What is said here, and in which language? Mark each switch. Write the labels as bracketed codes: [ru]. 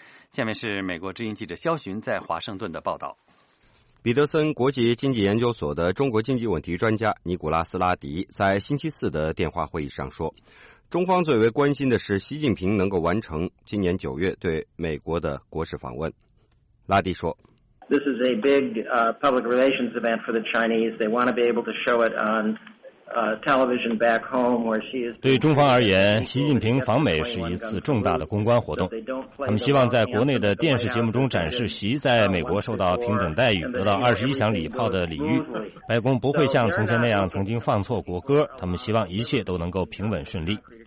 [zh] 下面是美国之音记者肖寻在华盛顿的报道。彼得森国际经济研究所的中国经济问题专家尼古拉斯拉迪在星期四的电话会议上说，中方最为关心的是习近平能够完成今年九月对美国的国事访问。拉迪说， [en] This is a big public relations event for the Chinese. They want to be able to show it on television back home where she is. [zh] 对中方而言，习近平访美是一次重大的公关活动。他们希望在国内的电视节目中展示习在美国受到平等待遇，得到21项礼炮的礼遇。白宫不会像从前那样曾经放错国歌。他们希望一切都能够平稳顺利。